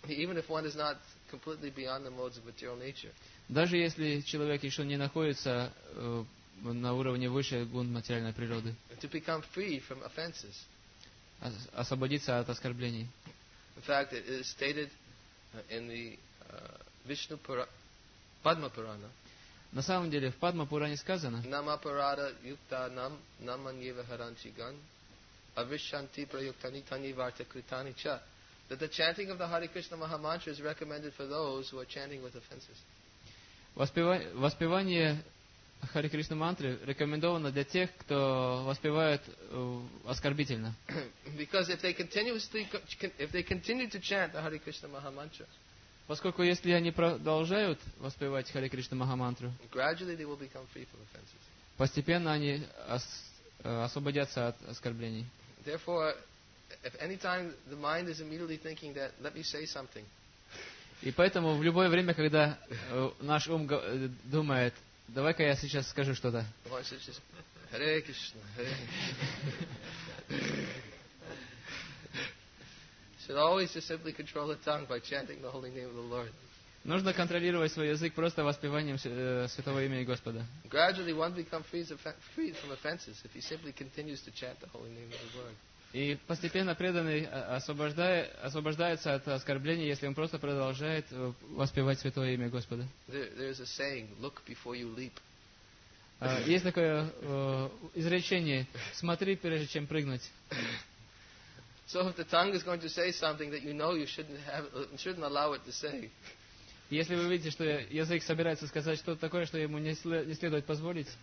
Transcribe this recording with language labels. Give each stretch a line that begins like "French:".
English: Even if one is not completely beyond the modes of material nature.
Russian: Даже если человек еще не находится на уровне выше гун материальной природы.
English: To become free from offenses.
Russian: Освободиться от оскорблений.
English: In fact, it is stated in the Vishnu Padma Purana.
Russian: На самом деле, в Падма Пуране сказано.
Sanskrit: Нама парада юкта нам наманьева харанчи ган авишанти праюктани тани варта критани ча.
English: That the chanting of the Hare Krishna Maha Mantra is recommended for those who are chanting with offenses.
Russian: Воспевание Hare Krishna Mantra рекомендовано для тех, кто воспевает оскорбительно.
English: Because if they continuously, if they continue to chant the Hare Krishna Maha Mantra,
Russian: поскольку если они продолжают воспевать Hare Krishna Maha Mantra,
English: gradually they will become free from offenses.
Russian: Постепенно они освободятся от оскорблений.
English: Therefore, if any time the mind is immediately thinking that let me say something.
Russian: И поэтому в любое время, когда наш ум думает, давай-ка я сейчас скажу что-то.
Sanskrit: Hare Krishna.
English: Should always just simply control the tongue by chanting the holy name of the Lord.
Russian: Нужно контролировать свой язык просто воспеванием святого имени Господа.
English: Gradually one becomes free from offenses if he simply continues to chant the holy name of the Lord.
Russian: И постепенно преданный освобождается от оскорблений, если он просто продолжает воспевать святое имя Господа.
English: There is a saying, look before you leap.
Russian: Есть такое изречение, смотри прежде чем прыгнуть.
English: So if the tongue is going to say something that you know you shouldn't allow it to say.
Russian: Если вы видите, что язык собирается сказать что-то такое, что ему не следует позволить,